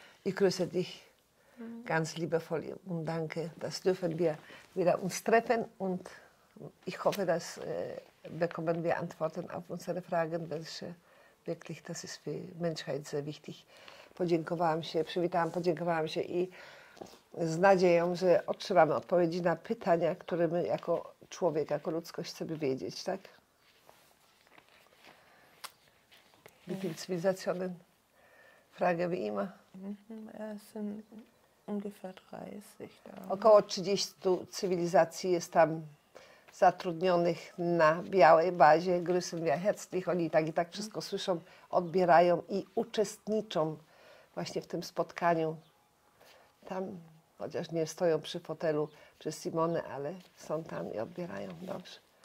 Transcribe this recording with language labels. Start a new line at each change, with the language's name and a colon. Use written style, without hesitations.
German: Ich grüße dich ganz liebevoll und danke. Das dürfen wir wieder uns treffen und ich hoffe, dass bekommen wir Antworten auf unsere Fragen, welche wirklich das ist für Menschheit sehr wichtig.
Polish: Podziękowałam się, przywitałam, podziękowałam się i z nadzieją, że otrzymamy odpowiedzi na pytania, które my jako człowiek, jako ludzkość chcemy wiedzieć, tak?
German: Wie viele Zivilisationen fragen wir immer? Es sind ungefähr 30.
Polish: Około 30 cywilizacji jest tam zatrudnionych na białej bazie.
German: Grüßen wir herzlich.
Polish: Oni tak i tak wszystko słyszą, odbierają i uczestniczą właśnie w tym spotkaniu. Tam, chociaż nie stoją przy fotelu przy Simone, ale są tam i odbierają. Dobrze.